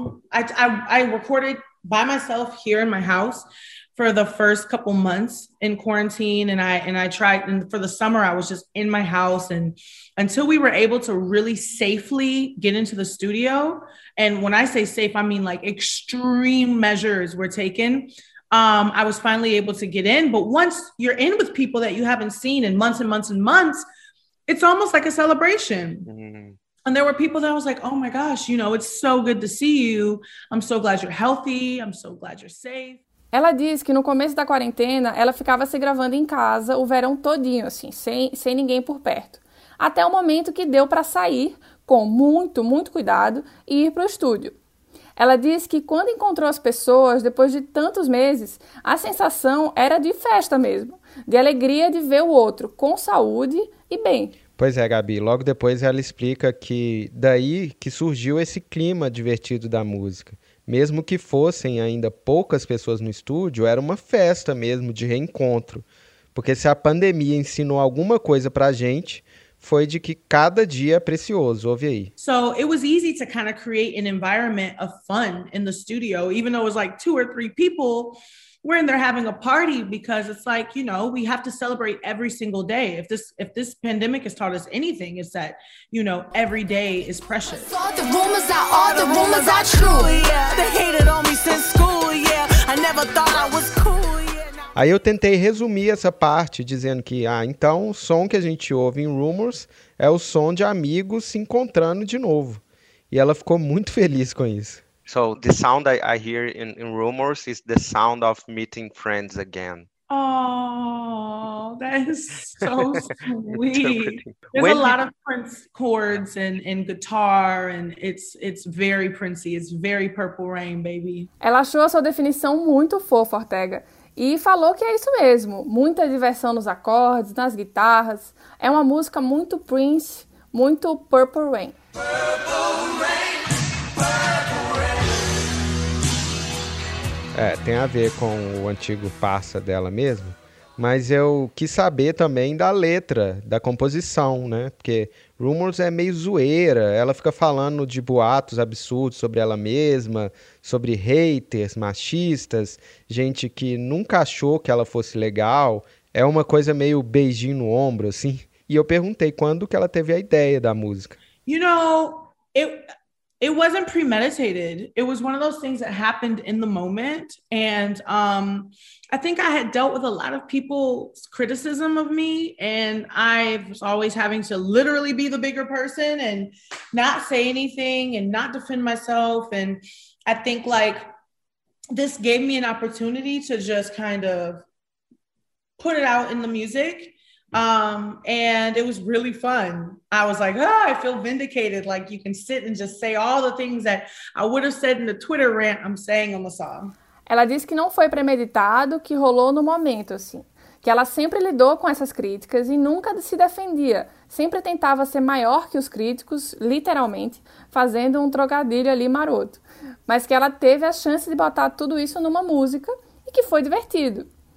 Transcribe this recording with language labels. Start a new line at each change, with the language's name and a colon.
English: I recorded by myself here in my house for the first couple months in quarantine, and for the summer I was just in my house, and until we were able to really safely get into the studio, and when I say safe, I mean like extreme measures were taken. I was finally able to get in. But once you're in with people that you haven't seen in months and months and months, it's almost like a celebration. Mm-hmm. And there were people that I was like, oh my gosh, you know, it's so good to see you. I'm so glad you're healthy. I'm so glad you're safe.
Portuguese: Ela diz que no começo da quarentena, ela ficava se gravando em casa o verão todinho, assim, sem ninguém por perto. Até o momento que deu para sair, com muito, muito cuidado, e ir para o estúdio. Ela diz que quando encontrou as pessoas, depois de tantos meses, a sensação era de festa mesmo, de alegria de ver o outro com saúde e bem. Pois é, Gabi, logo depois ela explica que daí que surgiu esse clima divertido da música. Mesmo que fossem ainda poucas pessoas no estúdio, era uma festa mesmo de reencontro. Porque se a pandemia ensinou alguma coisa pra gente, foi de que cada dia é precioso. Ouve aí.
English: So it was easy to kind of create an environment of fun in the studio, even though it was like two or three people were in there having a party, because it's like, you know, we have to celebrate every single day. If this pandemic has taught us anything, it's that, you know, every day is precious. All the rumors are all the rumors are true. Yeah, they hated on me since school. Yeah, I never thought I was cool.
Portuguese: Aí eu tentei resumir essa parte dizendo que, ah, então o som que a gente ouve em Rumors é o som de amigos se encontrando de novo. E ela ficou muito feliz com isso.
English: So, the sound I hear in Rumors is the sound of meeting friends again. Oh, that is so sweet. There's a lot of Prince chords and guitar, and it's very Princey. It's very Purple Rain, baby.
Portuguese: Ela achou a sua definição muito fofa, Ortega. E falou que é isso mesmo, muita diversão nos acordes, nas guitarras. É uma música muito Prince, muito Purple Rain.
English: Purple Rain, Purple Rain.
Portuguese: É, tem a ver com o antigo parça dela mesmo. Mas eu quis saber também da letra, da composição, né? Porque Rumors é meio zoeira. Ela fica falando de boatos absurdos sobre ela mesma, sobre haters, machistas, gente que nunca achou que ela fosse legal. É uma coisa meio beijinho no ombro, assim. E eu perguntei quando que ela teve a ideia da música.
English: You know, it wasn't premeditated. It was one of those things that happened in the moment. And I think I had dealt with a lot of people's criticism of me. And I was always having to literally be the bigger person and not say anything and not defend myself. And I think like this gave me an opportunity to just kind of put it out in the music. And it was really fun. I was like, oh, I feel vindicated. Like you can sit and just say all the things that I would have said in the Twitter rant I'm saying on the song.
Portuguese: Ela disse que não foi premeditado, que rolou no momento, assim. Que ela sempre lidou com essas críticas e nunca se defendia. Sempre tentava ser maior que os críticos, literalmente, fazendo um trocadilho ali maroto. Mas que ela teve a chance de botar tudo isso numa música e que foi divertido.